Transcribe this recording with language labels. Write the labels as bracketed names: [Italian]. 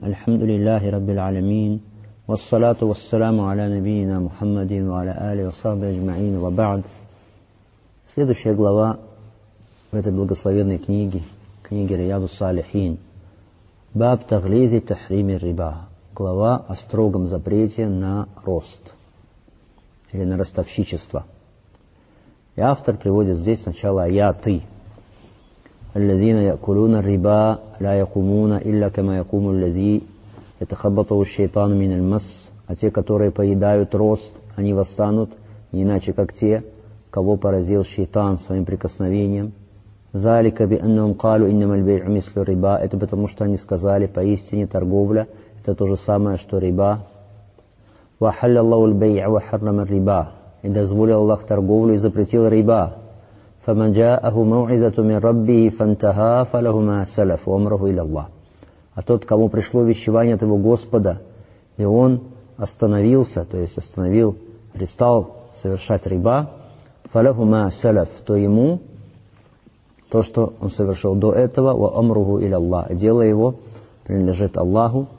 [Arabic] الحمد لله رب العالمين، والصلاة والسلام على نبينا محمد وعلى آله وصحبه أجمعين، وبعد. [Russian] Следующая глава в этой благословенной книге, книге Рияду Салихин, Баб Таглизи Тахриме Риба, глава о строгом запрете на рост или на ростовщичество. И автор приводит здесь сначала аяты. [Arabic] الذين يأكلون الربا لا يقومون إلا كما يقوم الذي يتخبطه الشيطان من المس. [Russian] А те, которые поедают рост, они восстанут не иначе, как те, кого поразил шейтан своим прикосновением. [Arabic] ذلك بأنهم قالوا إنما البيع مثل الربا. [Russian] Это потому, что они сказали, поистине торговля это то же самое, что риба. [Arabic] وحل الله البيع وحرم الربا. [Russian] И дозволил Аллах торговлю и запретил риба. [Arabic] فَمَنْ جَاءَهُ مَوْعِذَةُ مِنْ رَبِّهِ فَانْتَهَا فَلَهُ مَا سَلَفْ وَمْرَهُ إِلَى اللَّهِ. [Russian] А тот, кому пришло вещевание от его Господа, и он остановился, то есть остановил, перестал совершать риба, [Arabic] فَلَهُ مَا سَلَفْ, [Russian] то ему, то, что он совершил до этого, [Arabic] وَمْرُهُ إِلَى اللَّهِ, [Russian] дело его принадлежит Аллаху.